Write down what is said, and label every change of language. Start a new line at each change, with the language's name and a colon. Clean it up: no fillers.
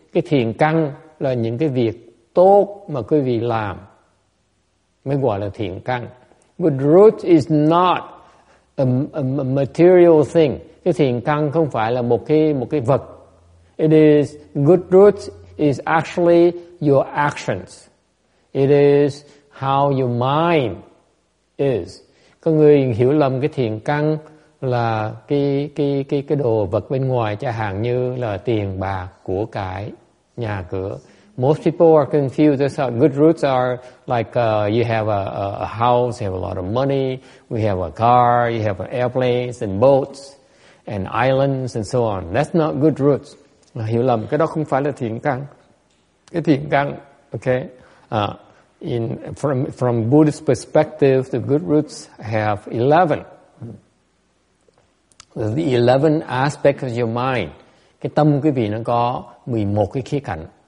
Vietnamese: Cái thiền căn là những cái việc tốt mà quý vị làm mới gọi là thiện căn.
English: But root is not a material thing.
Vietnamese: Cái thiện căn không phải là một cái vật.
English: It is good root is actually your actions. It is how your mind is.
Vietnamese: Có người hiểu lầm cái thiện căn là cái đồ vật bên ngoài, chẳng hạn như là tiền bạc, của cải, nhà cửa.
English: Most people are confused. So good roots are like you have a house, you have a lot of money, we have a car, you have airplanes and boats and islands and so on. That's not good roots.
Vietnamese: Hiểu lầm, cái đó không phải là thiện căn. Cái thiện căn, okay?
English: From Buddhist perspective, the good roots have 11. The 11 aspects of your mind.
Vietnamese: Cái tâm quý vị nó có 11 cái khía cạnh.